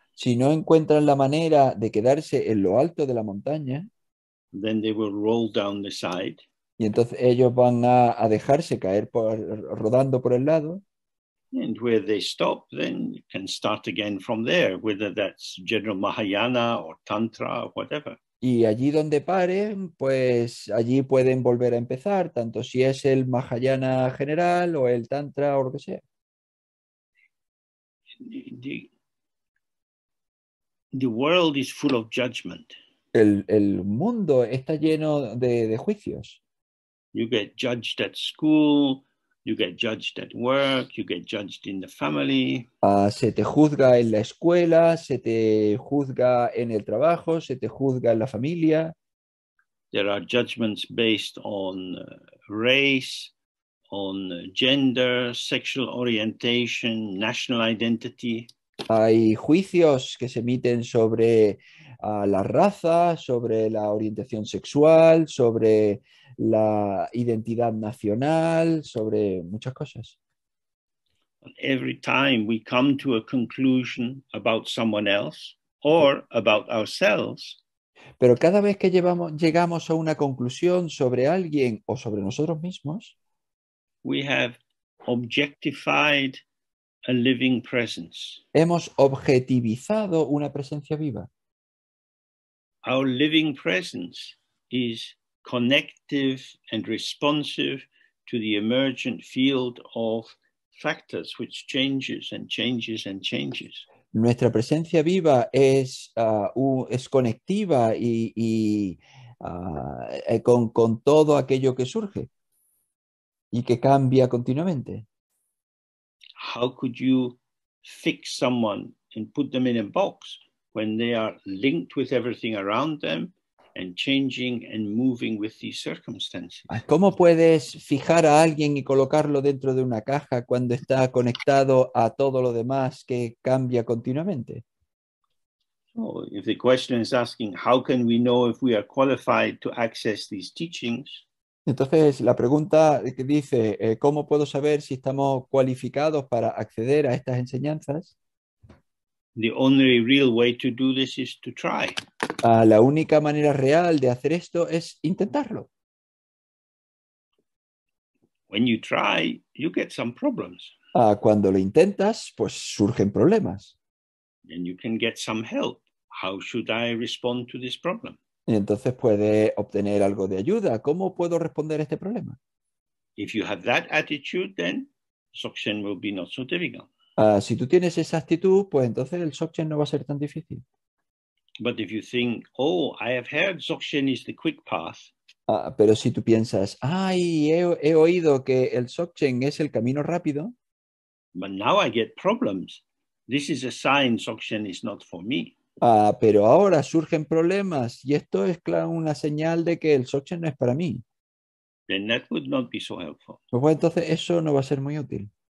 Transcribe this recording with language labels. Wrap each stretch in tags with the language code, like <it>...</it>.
<es>Si no encuentran la manera de quedarse en lo alto de la montaña,</es> <en>then they will roll down the side.</en> <es>y entonces ellos van a dejarse caer rodando por el lado.</es> <en>And where they stop, then you can start again from there, whether that's general Mahayana or Tantra or whatever.</en> <es>Y allí donde paren, pues allí pueden volver a empezar, tanto si es el Mahayana general o el Tantra o lo que sea.</es> <en>The world is full of judgment.</en> <es>El mundo está lleno de juicios.</es> <en>You get judged at school, you get judged at work, you get judged in the family.</en> <es>Se te juzga en la escuela, se te juzga en el trabajo, se te juzga en la familia.</es> <en>There are judgments based on race, on gender, sexual orientation, national identity.</en> <es>Hay juicios que se emiten sobre la raza, sobre la orientación sexual, sobre la identidad nacional, sobre muchas cosas.</es> <en>Every time we come to a conclusion about someone else or about ourselves,</en> <es>Pero cada vez que llegamos a una conclusión sobre alguien o sobre nosotros mismos,</es> <en>we have objectified a living presence.</en> <es>hemos objetivizado una presencia viva.</es> <en>Our living presence is connective and responsive to the emergent field of factors which changes and changes and changes.</en> <es>Nuestra presencia viva es conectiva y con todo aquello que surge y que cambia continuamente.</es> <en>How could you fix someone and put them in a box when they are linked with everything around them and changing and moving with these circumstances?</en> <es>¿Cómo puedes fijar a alguien y colocarlo dentro de una caja cuando está conectado a todo lo demás que cambia continuamente?</es> <en>So if the question is asking, how can we know if we are qualified to access these teachings?</en> <es>Entonces, la pregunta que dice, ¿cómo puedo saber si estamos cualificados para acceder a estas enseñanzas?</es> <en>The only real way to do this is to try.</en> <es>La única manera real de hacer esto es intentarlo.</es> <en>When you try, you get some problems.</en> <es>Cuando lo intentas, pues surgen problemas.</es> <en>Then you can get some help. How should I respond to this problem?</en> <es>Y entonces puede obtener algo de ayuda. ¿Cómo puedo responder a este problema?</es> <en>If you have that attitude, then suction will be not so difficult.</en> <es>Si tú tienes esa actitud, pues entonces el Dzogchen no va a ser tan difícil.</es> <en>But if you think, oh, I have heard Dzogchen is the quick path.</en> <es>Pero si tú piensas, ay, he oído que el Dzogchen es el camino rápido,</es> <en>But now I get problems. This is a sign Dzogchen is not for me.</en> <es>pero ahora surgen problemas y esto es claro una señal de que el Dzogchen no es para mí.</es> <en>Then that would not be so helpful.</en> <es>Pues bueno, entonces eso no va a ser muy útil.</es>